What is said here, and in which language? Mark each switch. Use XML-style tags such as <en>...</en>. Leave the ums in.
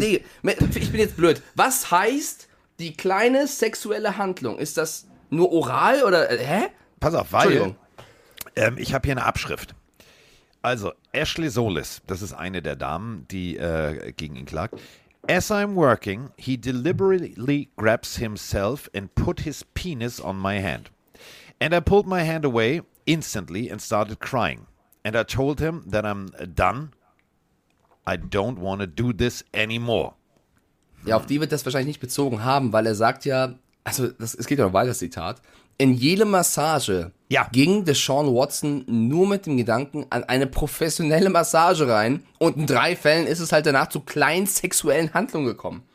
<de>nee, me- ich bin jetzt blöd. Was heißt die kleine sexuelle Handlung? Ist das nur oral oder, äh, hä? Pass auf, weil Entschuldigung. ähm, ich habe hier eine Abschrift. Also, Ashley Solis, das ist eine der Damen, die äh, gegen ihn klagt.</de> <en>As I'm working, he deliberately grabs himself and put his penis on my hand. And I pulled my hand away instantly and started crying. And I told him that I'm done. I don't want to do this anymore.</en> <de>Ja, auf die wird das wahrscheinlich nicht bezogen haben, weil er sagt ja, also das, es geht ja noch weiter, das Zitat. In jede Massage Ja. ging Deshaun Watson nur mit dem Gedanken an eine professionelle Massage rein und in drei Fällen ist es halt danach zu kleinen sexuellen Handlungen gekommen.</de>